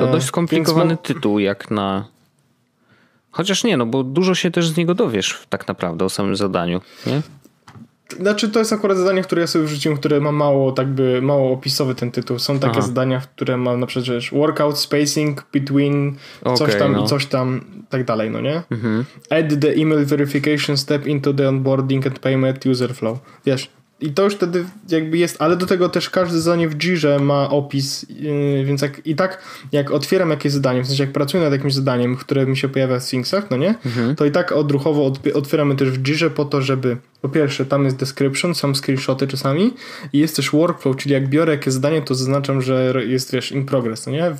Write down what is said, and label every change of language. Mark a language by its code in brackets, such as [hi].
[pl] To dość skomplikowany tytuł jak na... Chociaż nie, no bo dużo się też z niego dowiesz tak naprawdę o samym zadaniu, nie? Znaczy to jest akurat zadanie, które ja sobie wrzuciłem, które ma mało, tak by, mało opisowy ten tytuł. Są takie zadania, które mam na przykład, wiesz, [en] workout spacing between [pl] coś tam i coś tam, tak dalej, no nie? [en] Add the email verification step into the onboarding and payment user flow. [pl] Wiesz, i to już wtedy jakby jest, ale do tego też każde zadanie w Jirze ma opis, więc jak, i tak jak otwieram jakieś zadanie, w sensie jak pracuję nad jakimś zadaniem, które mi się pojawia w Thingsach, no nie? To i tak odruchowo otwieramy też w Jirze po to, żeby... Po pierwsze, tam jest description, są screenshoty czasami i jest też workflow, czyli jak biorę jakieś zadanie, to zaznaczam, że jest, wiesz, [en] in progress, [pl] no nie?